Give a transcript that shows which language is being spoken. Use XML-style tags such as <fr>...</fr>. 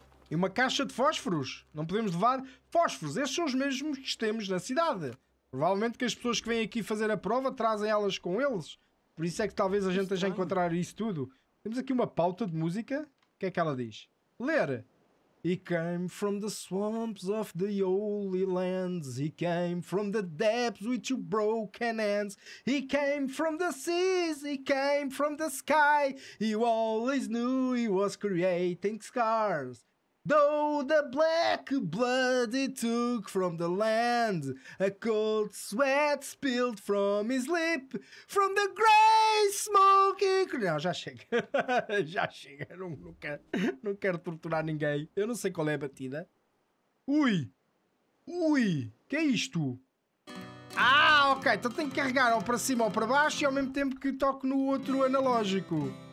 <pt>E uma caixa de fósforos. Não podemos levar fósforos. Esses são os mesmos que temos na cidade. Provavelmente que as pessoas que vêm aqui fazer a prova trazem elas com eles. Por isso é que talvez a gente já encontrar isso tudo. Temos aqui uma pauta de música. O que é que ela diz? Ler.</pt> <en>He came from the swamps of the holy lands. He came from the depths with two broken hands. He came from the seas. He came from the sky. He always knew he was creating scars. Though the black blood he took from the land, a cold sweat spilled from his lip, from the grey smoke.</en> <pt>Não, já chega. Já chega. Não quero torturar ninguém. Eu não sei qual é a batida. Ui! Ui! Que é isto? Ah, ok. Então tenho que carregar ou para cima ou para baixo e ao mesmo tempo que toco no outro analógico.</pt>